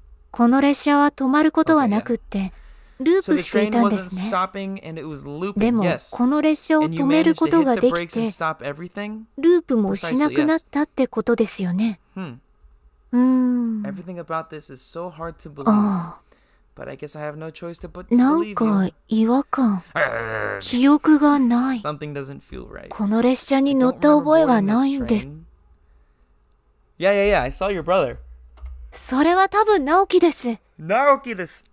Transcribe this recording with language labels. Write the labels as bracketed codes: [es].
[ja] この列車は止まることはなくってループしていたんですね。でもこの列車を止めることができて、 ループもしなくなったってことですよね。 [en] Everything about this is so hard to believe. But I guess I have no choice to believe you. Something doesn't feel right. [ja] この列車に乗った覚えはないんです。 [en] Yeah, I saw your brother. [ja] それは多分ナオキです。ナオキです。